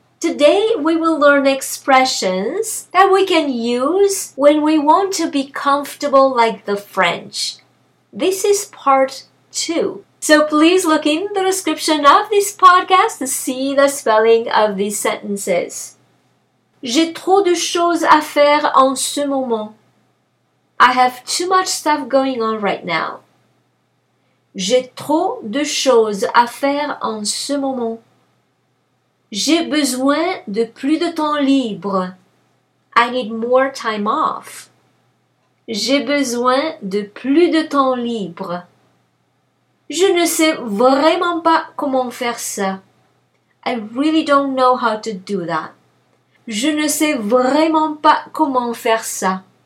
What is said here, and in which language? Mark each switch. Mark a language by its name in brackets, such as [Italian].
[English] Today we will learn expressions that we can use when we want to be comfortable like the French. This is part 2. So please look in the description of this podcast to see the spelling of these sentences. [French] J'ai trop de choses à faire en ce moment. [English] I have too much stuff going on right now. [French] J'ai trop de choses à faire en ce moment. J'ai besoin de plus de temps libre. [English] I need more time off. [French] J'ai besoin de plus de temps libre. Je ne sais vraiment pas comment faire ça. [English] I really don't know how to do that. [French] Je ne sais vraiment pas comment faire ça.